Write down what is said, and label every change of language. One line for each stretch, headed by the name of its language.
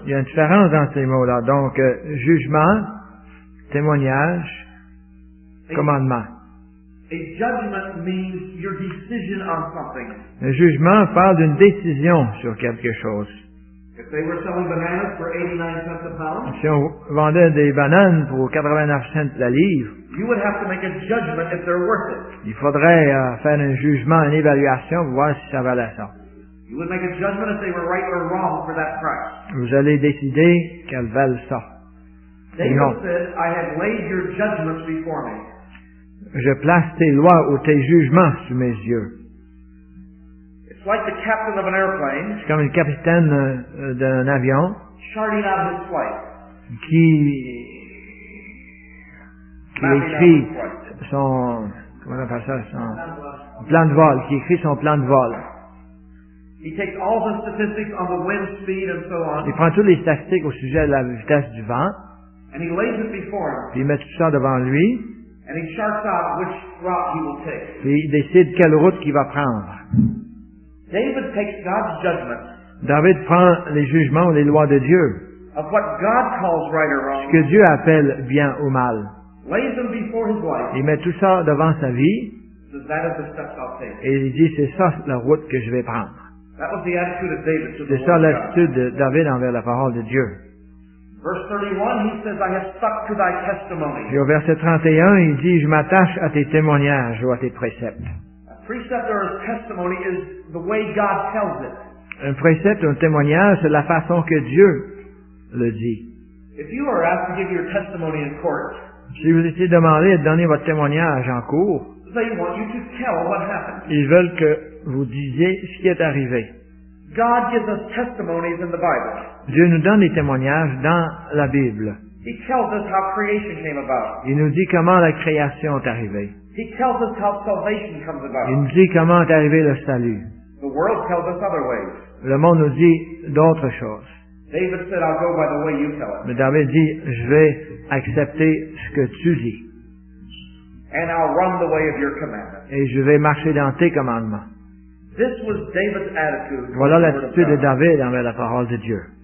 French: Il y a une différence dans ces mots-là. Donc, jugement, témoignage, commandement.
English: A judgment means your decision on something.
French: Le jugement parle d'une décision sur quelque chose.
English: If they were selling bananas for 89 cents a
French: pound, si on vendait des bananes pour 89 cents la livre,
English: you would have to make a judgment if they're worth it.
French: Il faudrait faire un jugement, une évaluation pour voir si ça valait ça.
English: You would make a judgment if they were right or wrong for that price.
French: Vous allez décider qu'elles valent ça.
English: David said, I have laid your judgments before me.
French: Je place tes lois ou tes jugements sous mes yeux.
English: Like the captain of an airplane,
French: c'est comme le capitaine d'un avion
English: charting out his flight,
French: qui écrit son, comment on appelle ça, son plan de vol, qui écrit son plan de vol.
English: He takes all the statistics on the wind speed and so on.
French: Il prend toutes les statistiques au sujet de la vitesse du vent.
English: And he lays it before him.
French: Puis il met tout ça devant lui.
English: And he charts out which route he will take.
French: Puis il décide quelle route qu'il va prendre.
English: David takes God's judgment.
French: David prend les jugements ou les lois de Dieu.
English: Of what God calls right or wrong.
French: Ce que Dieu appelle bien ou mal.
English: Lays them before his wife.
French: Il met tout ça devant sa vie.
English: So that is the step I'll take.
French: Et il dit, c'est ça la route que je vais prendre.
English: That was the attitude of David to the
French: C'est ça l'attitude de David envers la parole de Dieu.
English: Verse 31, he says, I have stuck to thy testimony.
French: Et au verset 31, il dit, je m'attache à tes témoignages ou à tes préceptes.
English: Precept or testimony is the way God tells it.
French: Un précepte ou un témoignage, c'est la façon que Dieu le dit.
English: If you are asked to give your testimony in court,
French: si vous étiez demandé de donner votre témoignage en cour,
English: they want you to tell what happened.
French: Ils veulent que vous disiez ce qui est arrivé.
English: God gives us testimonies in the Bible.
French: Dieu nous donne des témoignages dans la Bible.
English: He tells us how creation came about.
French: Il nous dit comment la création est arrivée.
English: He tells us how salvation comes about.
French: Il nous dit comment est arrivé le salut.
English: The world tells us other ways.
French: Le monde nous dit d'autres choses.
English: David said, "I'll go by the way you tell it."
French: Mais David dit, je vais accepter ce que tu dis.
English: And I'll run the way of your commandments.
French: Et je vais marcher dans tes commandements.
English: This was David's attitude.
French: Voilà l'attitude de David envers la parole de Dieu.